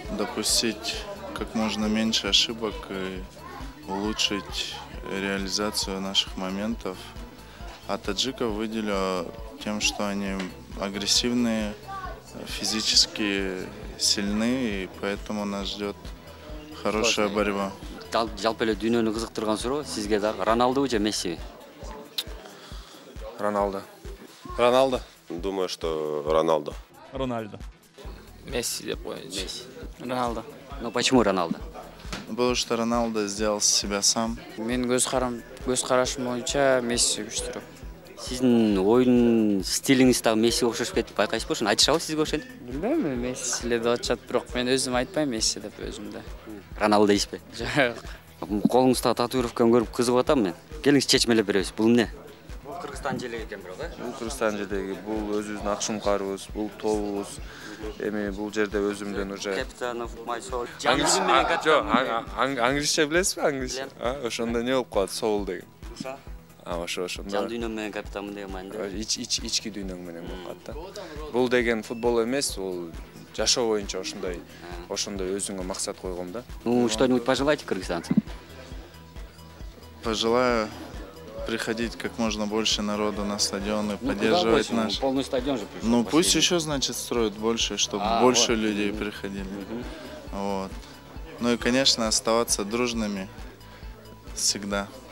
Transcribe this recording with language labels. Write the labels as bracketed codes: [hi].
[ru] Допустить как можно меньше ошибок и улучшить реализацию наших моментов. А таджиков выделю тем, что они агрессивные, физически сильны, и поэтому нас ждет хорошая борьба. [ky] Жалпы дүйнөнү кызыктырган суроо сизге да Роналду же Месси? Роналдо. Роналдо. [ru] Думаю, что Роналдо. Роналдо. Месси, я понял. Месси. Роналдо. Но почему Роналдо? Потому что Роналдо сделал себя сам. [ky] Мен көз карашым боюнча Месси күчтүрөк. Сиздин оюн стилиңиз дагы Месси окшош кетти, байкайсыз болушун айтышабы сизге ошентип? Билбейм, Месси эле деп атышат, бирок мен өзүм айтпайм Месси деп өзүмдү. Роналдо дейсизби? Жок. Колуңуздагы татуировканы көрүп кызыгып атам мен. Келиңиз чечмелеп беребиз. Бул эмне? Кыргызстан желеги экен бирок, э? Бул Кыргызстан желеги, бул өзүбүздүн ак шумкарыбыз, бул тобубуз. Эми бул жерде өзүмдөн уже капитан [en] of my soul. [ky] Жок, англисче билесизби, англисче? А, ошондо эмне болуп калат, soul деген? Уша. А, ошо, ошондо. Жан дүйнөң менен капитанмын деген маанайда. Ички дүйнөң менен болуп калат да. Бул деген футбол эмес, бул жашоо боюнча ошондой өзүңө максат койгом да. [ru] Ну, что-нибудь пожелайте кыргызстанцам? Пожелаю приходить как можно больше народу на стадион и поддерживать наш... Ну, полный стадион же пришел. Ну, пусть еще, значит, строят больше, чтобы больше людей приходили. Вот. Ну и, конечно, оставаться дружными всегда.